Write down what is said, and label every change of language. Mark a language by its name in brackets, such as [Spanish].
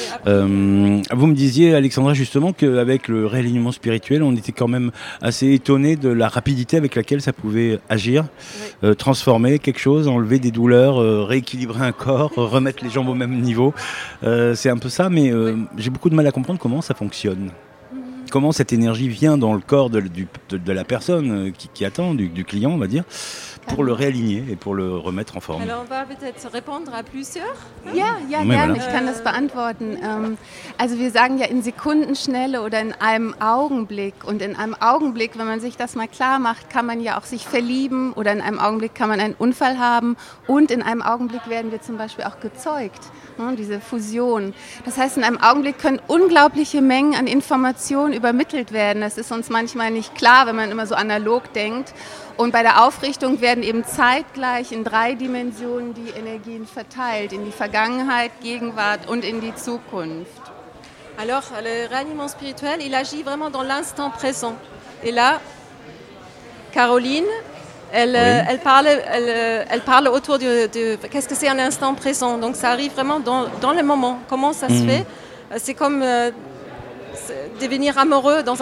[French] Vous me disiez, Alexandra, justement, qu'avec le réalignement spirituel, on était quand même assez étonné de la rapidité avec laquelle ça pouvait agir, transformer quelque chose, enlever des douleurs, rééquilibrer un corps, remettre les jambes au même niveau. C'est un peu ça, mais j'ai beaucoup de mal à comprendre comment ça fonctionne. Comment cette énergie vient dans le corps de la personne qui attend, du client, on va dire, pour le réaligner et pour le remettre en forme. Alors, on va peut-être répondre à plusieurs. [German] Gerne, ich kann das beantworten. Also wir sagen ja in Sekundenschnelle oder in einem Augenblick. Und in einem Augenblick, wenn man sich das mal klar macht, kann man ja auch sich verlieben oder in einem Augenblick kann man einen Unfall haben. Und in einem Augenblick werden wir zum Beispiel auch gezeugt. Diese Fusion. Das heißt, in einem Augenblick können unglaubliche Mengen an Informationen übermittelt werden. Das ist uns manchmal nicht klar, wenn man immer so analog denkt. Und bei der Aufrichtung werden eben zeitgleich in drei Dimensionen die Energien verteilt. In die Vergangenheit, Gegenwart und in die Zukunft. [French] Alors, le réanimement spirituel, il agit vraiment dans l'instant présent. Et là, Caroline... Elle parle autour de qu'est-ce que c'est un instant présent. Donc ça arrive vraiment dans le moment. Comment ça se fait? C'est comme devenir amoureux.